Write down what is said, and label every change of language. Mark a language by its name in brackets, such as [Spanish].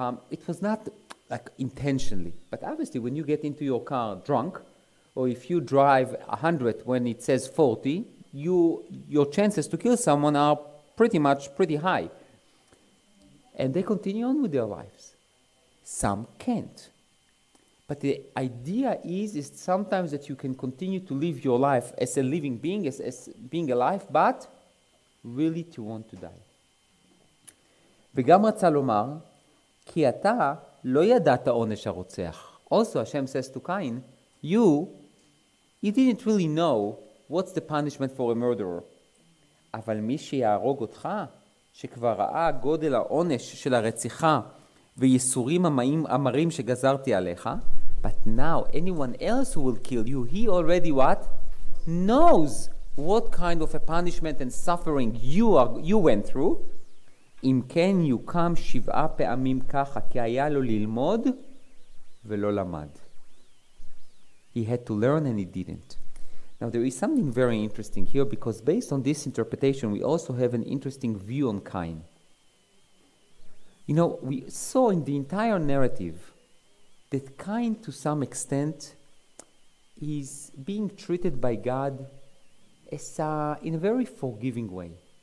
[English] It was not, like, intentionally. But obviously, when you get into your car drunk, or if you drive 100 when it says 40, your chances to kill someone are pretty high. And they continue on with their lives. Some can't. But the idea is sometimes that you can continue to live your life as a living being, as being alive, but really to want to die. [Hebrew] וגם רצה לומר, כי אתה לא ידעת עונש הרוצח. [English] Also, Hashem says to Cain, you didn't really know what's the punishment for a murderer. [Hebrew] אבל מי שיהרוג אותך, שכבר ראה גודל העונש של הרציחה, וייסורים המרים שגזרתי עליך, [English] but now anyone else who will kill you, he already what? Knows what kind of a punishment and suffering you went through. [Hebrew] אם כן יוקם שבעה פעמים ככה, כי היה לו ללמוד ולא למד. [English] He had to learn and he didn't. Now there is something very interesting here, because based on this interpretation, we also have an interesting view on Cain. You know, we saw in the entire narrative that Cain, to some extent, is being treated by God as in a very forgiving way.